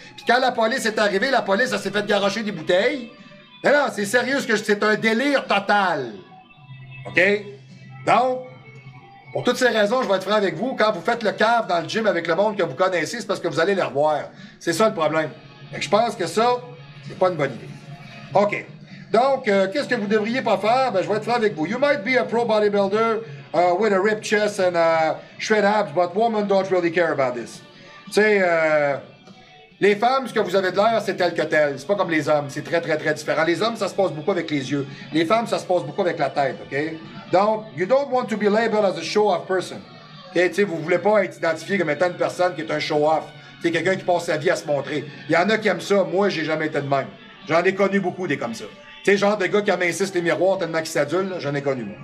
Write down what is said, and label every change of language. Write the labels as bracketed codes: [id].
[fr] Puis quand la police est arrivée, la police, elle s'est fait garrocher des bouteilles. Mais non, c'est sérieux, parce que c'est un délire total. OK? Donc, pour toutes ces raisons, je vais être franc avec vous, quand vous faites le cave dans le gym avec le monde que vous connaissez, c'est parce que vous allez les revoir. C'est ça le problème. Fait que je pense que ça, c'est pas une bonne idée. OK. Donc, qu'est-ce que vous devriez pas faire? Ben, je vais être franc avec vous. [en] You might be a pro bodybuilder with a ripped chest and shred abs, but women don't really care about this. [fr] Tu sais, les femmes, ce que vous avez de l'air, c'est tel que tel. C'est pas comme les hommes. C'est très, très, très différent. Les hommes, ça se passe beaucoup avec les yeux. Les femmes, ça se passe beaucoup avec la tête, OK? [en] Donc, you don't want to be labeled as a show-off person. Okay? [fr] Tu sais, vous voulez pas être identifié comme étant une personne qui est un show-off. C'est quelqu'un qui passe sa vie à se montrer. Il y en a qui aiment ça. Moi, j'ai jamais été de même. J'en ai connu beaucoup des comme ça. Tu sais, genre de gars qui amincissent les miroirs tellement qu'ils s'adulent, j'en ai connu, moi.